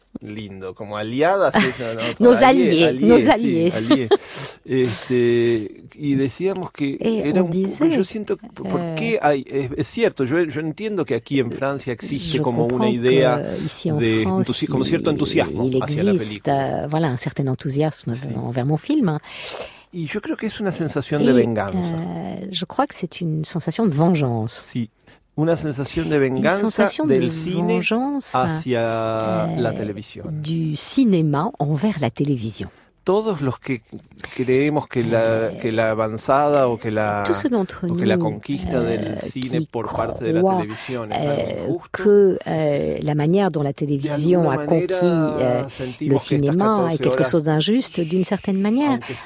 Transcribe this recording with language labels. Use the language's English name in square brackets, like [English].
[Spanish] Lindo, como aliadas, yo entiendo que aquí en Francia existe como una idea de como cierto entusiasmo hacia la película. [French] Voilà, un certain entusiasme envers mon film. [Spanish] Y yo creo que es una sensación de venganza. [French] Je crois que c'est une sensation de vengeance. [Spanish] Sí. Una sensación de venganza del cine hacia la televisión. [French] Du cinéma envers la télévision. [Spanish] Todos los que creemos que la avanzada o que la conquista del cine por parte de la televisión es algo injusto, [French] que la manière dont la télévision a conquis le cinéma est quelque chose d'injuste d'une certaine manière.